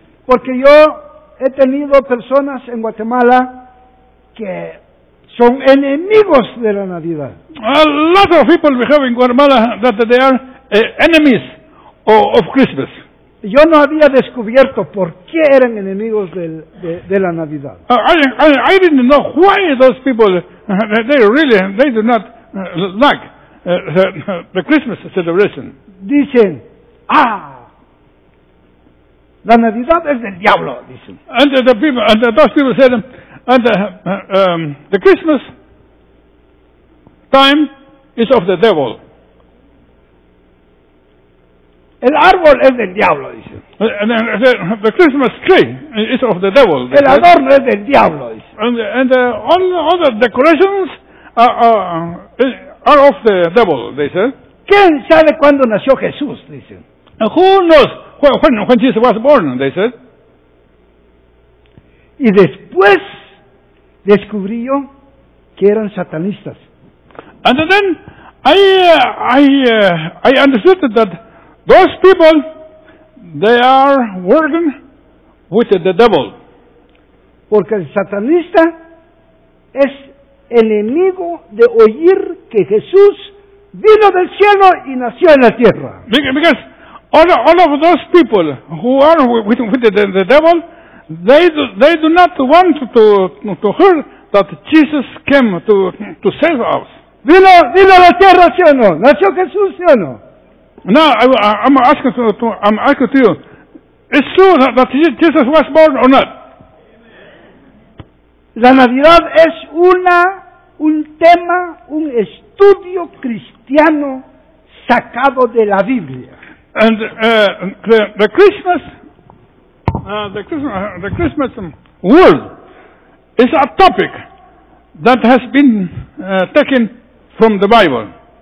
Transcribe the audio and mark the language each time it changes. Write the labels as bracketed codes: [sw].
[es] Porque yo he tenido personas en Guatemala que son enemigos de la Navidad. [en] A lot of people we have in Guatemala that they are enemies of Christmas. [es] Yo no había descubierto por qué eran enemigos de la Navidad. [en] I didn't know why those people, they do not like the Christmas celebration. [es] Dicen, ah, la Navidad es del diablo, dicen. [en] And the people, and those people said, and the Christmas time is of the devil. [es] El árbol es del diablo, dicen. [en] And the Christmas tree is of the devil. [es] El adorno es del diablo, dicen. [en] And all the decorations are of the devil, they say. [es] ¿Quién sabe cuándo nació Jesús, dicen? [en] And who knows when Jesus was born, they said. [es] Y después descubrí yo que eran satanistas. [en] And then I understood that those people, they are working with the devil. [es] Porque el satanista es enemigo de oír que Jesús vino del cielo y nació en la tierra. [en] Because all of those people who are with the devil, they do not want to hear that Jesus came to save us. [es] Vino a la tierra, ¿sí o no? ¿Nació Jesús, sí o no? [en] No, I'm asking to you, is it true that Jesus was born or not? [es] La Navidad es un tema, un estudio cristiano sacado de la Biblia. [en] And the Christmas word is a topic that has been taken from the Bible.